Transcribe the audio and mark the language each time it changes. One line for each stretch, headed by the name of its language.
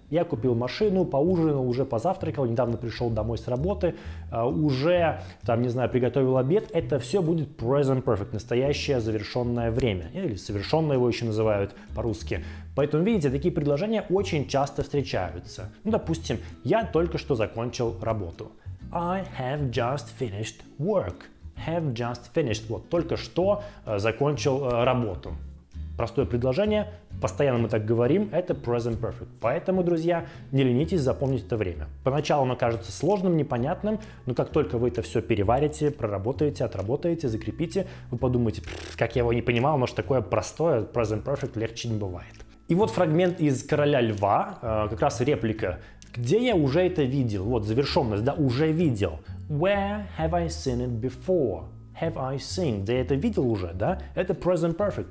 Russian: Я купил машину, поужинал, уже позавтракал, недавно пришел домой с работы, уже, там, не знаю, приготовил обед. Это все будет present perfect, настоящее завершенное время. Или совершенное его еще называют по-русски. Поэтому, видите, такие предложения очень часто встречаются. Ну, допустим, я только что закончил работу.
English: I have just finished work. Have just finished.
Russian: Вот, только что закончил работу. Простое предложение. Постоянно мы так говорим. Это present perfect. Поэтому, друзья, не ленитесь запомнить это время. Поначалу оно кажется сложным, непонятным, но как только вы это все переварите, проработаете, отработаете, закрепите, вы подумаете, как я его не понимал, может такое простое, present perfect легче не бывает. И вот фрагмент из «Короля льва», как раз реплика. Где я уже это видел? Вот завершенность, да, уже видел.
English: Where have I seen it before? Have I seen?
Russian: Да я это видел уже, да? Это present perfect.